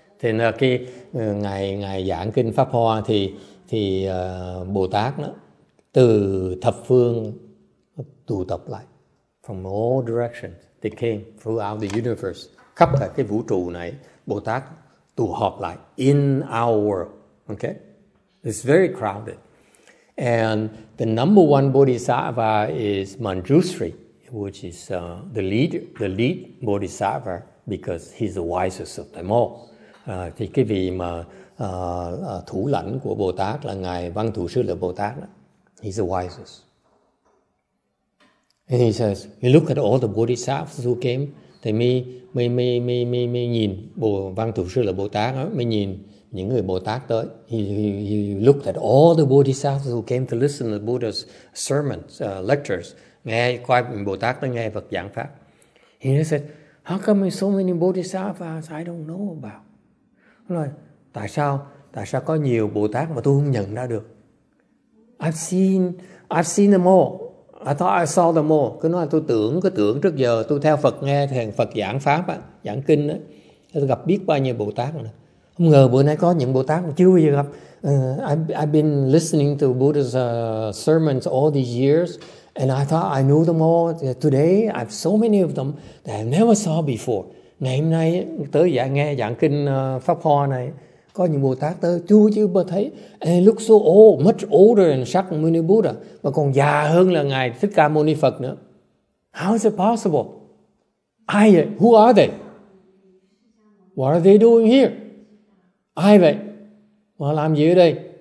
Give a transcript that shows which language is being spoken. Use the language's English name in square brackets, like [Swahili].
[Vietnamese] Thì cái ngài giảng kinh Pháp Hoa thì Bồ Tát đó từ thập phương tụ tập lại, from all directions they came throughout the universe, khắp cả cái vũ trụ này Bồ Tát tụ họp lại in our world. [English] Okay, it's very crowded, and the number one Bodhisattva is Manjushri, which is the lead Bodhisattva because he's the wisest of them all. [Vietnamese] Thì cái vị mà thủ lãnh của Bồ Tát là Ngài Văn Thù Sư Lợi Bồ Tát đó. He's the wisest. And he says, you look at all the Bodhisattvas who came, thì mới nhìn Bồ Văn Thù Sư Lợi Bồ Tát, mới nhìn những người Bồ Tát tới. [English] He looked at all the Bodhisattvas who came to listen to Buddha's sermons, lectures, nghe qua Bồ Tát tới nghe Phật giảng Pháp. He said, how come so many Bodhisattvas I don't know about? [Vietnamese] Nói, tại sao có nhiều Bồ Tát mà tôi không nhận ra được? [English] I've seen them all. I thought I saw them all. [Vietnamese] Cứ nói là tôi tưởng trước giờ tôi theo Phật nghe thằng Phật giảng Pháp á, giảng kinh á, tôi gặp biết bao nhiêu Bồ Tát rồi. Không ngờ bữa nay có những Bồ Tát chưa bao giờ gặp. [English] I've been listening to Buddha's sermons all these years, and I thought I knew them all. Today, I have so many of them that I never saw before. [Vietnamese] Ngày hôm nay, tới giảng nghe giảng kinh Pháp Hoa này, có những Bồ Tát tới chưa bao thấy. And look so old, much older than Shakyamuni Buddha, mà còn già hơn là Ngài Thích Ca Mâu Ni Phật nữa. [English] How is it possible? Ai vậy? Who are they? What are they doing here? Ai vậy? Mà làm gì ở đây?